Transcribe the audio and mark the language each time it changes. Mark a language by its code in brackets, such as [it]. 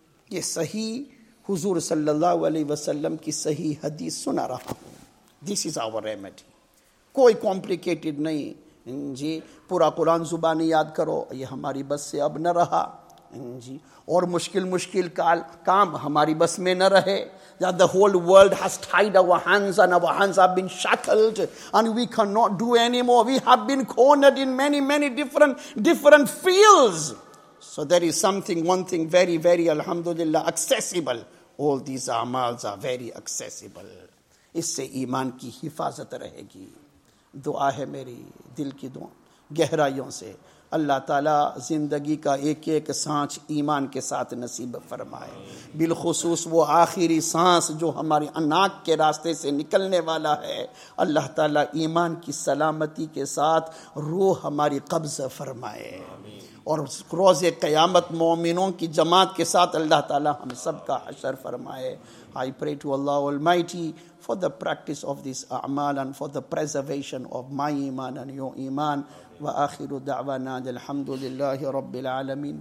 [ur] یہ صحیح حضور صلی اللہ علیہ وسلم کی صحیح حدیث سنا رہا ہوں. [en] This is our remedy. [ur] کوئی complicated نہیں جی, پورا قرآن زبانی یاد کرو, یہ ہماری بس سے اب نہ رہا جی, اور مشکل مشکل کام ہماری بس میں نہ رہے. [en] That the whole world has tied our hands and our hands have been shackled and we cannot do anymore. We have been cornered in many, many different fields. So there is something, one thing very, very, alhamdulillah, accessible. All these amals are very accessible. [ur] اس سے ایمان کی حفاظت رہے گی. دعا ہے میری دل کی دعا گہرائیوں سے, اللہ تعالیٰ زندگی کا ایک ایک سانس ایمان کے ساتھ نصیب فرمائے, بالخصوص وہ آخری سانس جو ہماری ناک کے راستے سے نکلنے والا ہے. اللہ تعالیٰ ایمان کی سلامتی کے ساتھ روح ہماری قبض فرمائے, اور روز قیامت مومنوں کی جماعت کے ساتھ اللہ تعالیٰ ہم سب کا حشر فرمائے. [en] I pray to Allah Almighty for the practice of this a'mal and for the preservation of my iman and your iman. [ar] وآخر دعوانا الحمد لله رب العالمين.